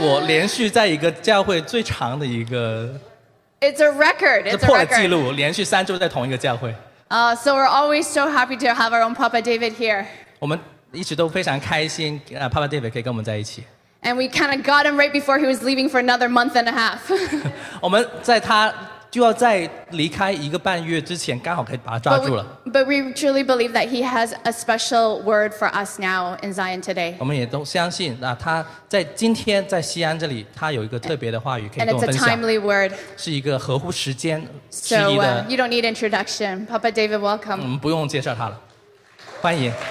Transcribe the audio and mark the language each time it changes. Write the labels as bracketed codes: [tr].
[zh] 他好像跟我说过，这就是我连续在一个教会最长的一个。 [en] It's a record. It's a record. [zh] 破了记录，连续3周在同一个教会。 [en] So we're always so happy to have our own Papa David here. [zh] 我们一直都非常开心， Papa David 可以跟我们在一起。 [en] And we kind of got him right before he was leaving for another month and a half. [zh] 我们在他就要在离开一个半月之前，刚好可以把他抓住了。 [en] But we truly believe that he has a special word for us now in Zion today. [zh] 我们也都相信，那他在今天在西安这里，他有一个特别的话语可以跟我分享。 [en] And it's a timely word. [zh] 是一个合乎时间时宜的。 [en] So you don't need introduction, Papa David, welcome. [zh] 我们不用介绍他了，欢迎。